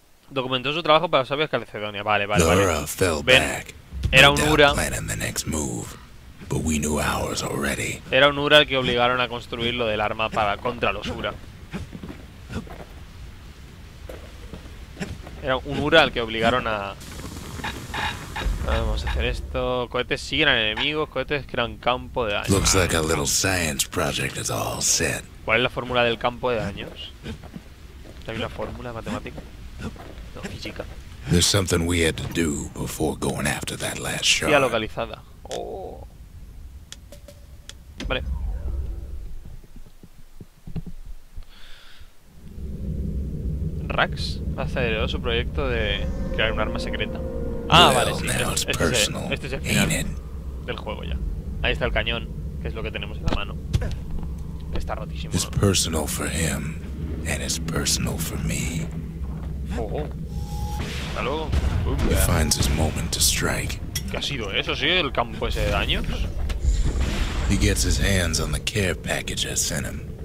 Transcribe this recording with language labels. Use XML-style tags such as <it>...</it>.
<es>Documentó su trabajo para los sabios de Calcedonia. Vale, vale, vale.</es> <en>Lura fell back.</en> <es>Era un Ura.</es> <en>Planning the next move, but we knew ours already.</en> <es>Era un Ura el que obligaron a construir lo del arma para contra los Ura. Era un Ura el que obligaron a... Vamos a hacer esto. Cohetes siguen al enemigo. Cohetes crean campo de daños.</es> <en>Looks like a little science project is all set.</en> <es>¿Cuál es la fórmula del campo de daños? ¿Hay una fórmula matemática? No, física.</es> <en>There's something we had to do before going after that last shot.</en> <es>Ya localizada. Oh. Vale. Rax ha acelerado su proyecto de crear un arma secreta. Ah,</es> <en>well,</en> <es>vale, sí. Este es el final del juego ya. Ahí está el cañón, que es lo que tenemos en la mano. Está rotísimo.</es> <en>It's personal for him and it's personal for me. Oh. He finds his moment to strike.</en> <es>¿Qué ha sido eso, sí? ¿El campo ese de daños?</es> <en>He gets his hands on the care package I sent him.</en>